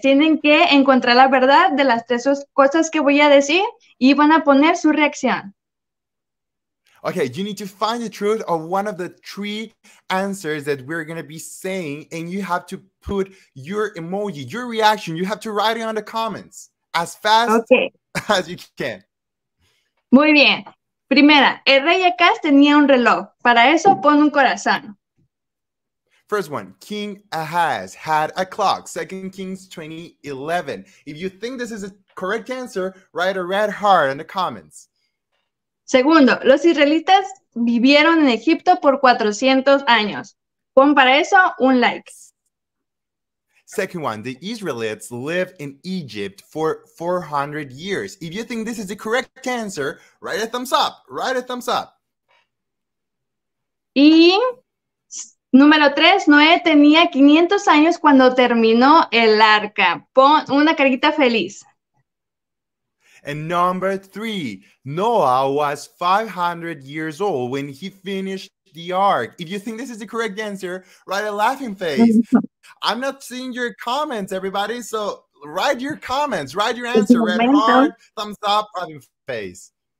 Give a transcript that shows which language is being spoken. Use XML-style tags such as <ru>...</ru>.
<es>Tienen que encontrar la verdad de las tres cosas que voy a decir y van a poner su reacción.</es> <en>Okay, you need to find the truth of one of the three answers that we're going to be saying, and you have to put your emoji, your reaction. You have to write it on the comments as fast as you can.</en> <es>Muy bien. Primera, el rey Acaz tenía un reloj. Para eso, pon un corazón.</es> <en>First one, King Ahaz had a clock. 2 Kings 20:11. If you think this is a correct answer, write a red heart in the comments.</en> <es>Segundo, los israelitas vivieron en Egipto por 400 años. Pon para eso un like.</es> <en>Second one, the Israelites lived in Egypt for 400 years. If you think this is the correct answer, write a thumbs up.</en> <es>Y número tres, Noé tenía 500 años cuando terminó el arca. Pon una carita feliz.</es> <en>And number three, Noah was 500 years old when he finished the ark. If you think this is the correct answer, write a laughing face. I'm not seeing your comments, everybody. So write your comments, write your answer, red heart, thumbs up, laughing face.</en>